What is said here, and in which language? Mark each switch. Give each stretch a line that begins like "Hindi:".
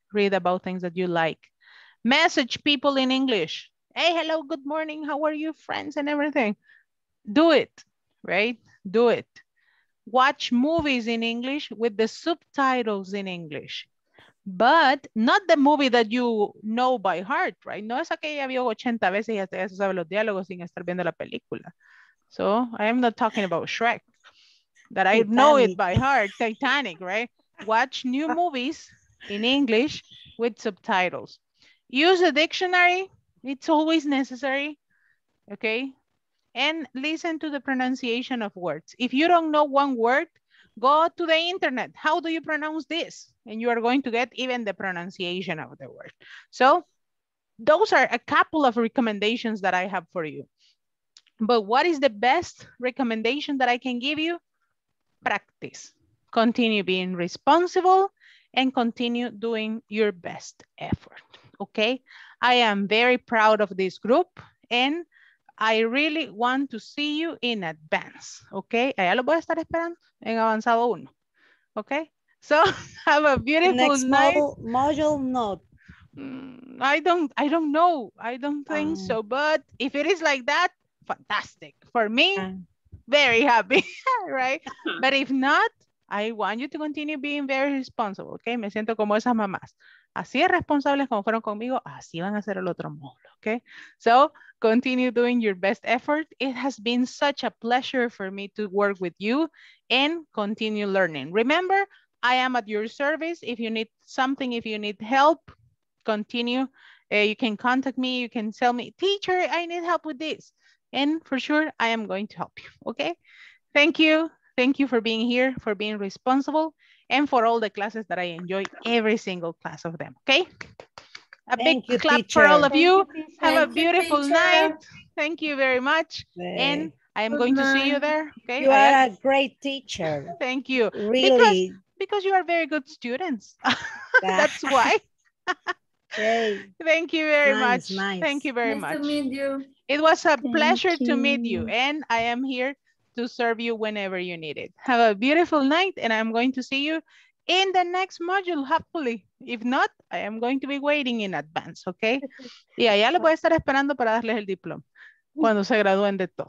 English: Read about things that you like. Message people in English. Hey, hello, good morning. How are you, friends and everything? Do it, right? Do it. Watch movies in English with the subtitles in English. But not the movie that you know by heart, right?
Spanish: No es aquella que ya vio 80 veces y hasta ya se sabe los diálogos sin estar viendo la película.
English: So I am not talking about Shrek, that I Titanic. Know it by heart, Titanic, right? Watch new movies in English with subtitles. Use a dictionary. It's always necessary, okay? And listen to the pronunciation of words. If you don't know one word, go to the internet. How do you pronounce this? And you are going to get even the pronunciation of the word. So those are a couple of recommendations that I have for you. But what is the best recommendation that I can give you? Practice. Continue being responsible and continue doing your best effort, okay? I am very proud of this group and I really want to see you in advance, okay?
Spanish: Allá lo voy a estar esperando en avanzado uno, okay?
English: So have a beautiful next night. Module note. I don't know. I don't think so. But if it is like that, fantastic. For me, very happy, right? But if not, I want you to continue being very responsible, okay?
Spanish: Me siento como esas mamás. Así es responsables como fueron conmigo, así van a hacer el otro módulo, okay?
English: So continue doing your best effort. It has been such a pleasure for me to work with you and continue learning. Remember, I am at your service. If you need something, if you need help, continue. You can contact me. You can tell me, teacher, I need help with this. And for sure, I am going to help you, okay? Thank you. Thank you for being here, for being responsible, and for all the classes that I enjoy, every single class of them, okay? A big clap for all of you. Have a beautiful night. Thank you very much. And I am going to see you there, okay? You are a great teacher. Thank you. Really. Because you are very good students. That's why. Thank you very much. Thank you very much. Nice to meet you. It was a pleasure to meet you. And I am here to serve you whenever you need it. Have a beautiful night and I'm going to see you in the next module, hopefully. If not, I am going to be waiting in advance, okay?
Spanish: Y allá le voy a estar esperando para darles el diploma cuando se gradúen de todo.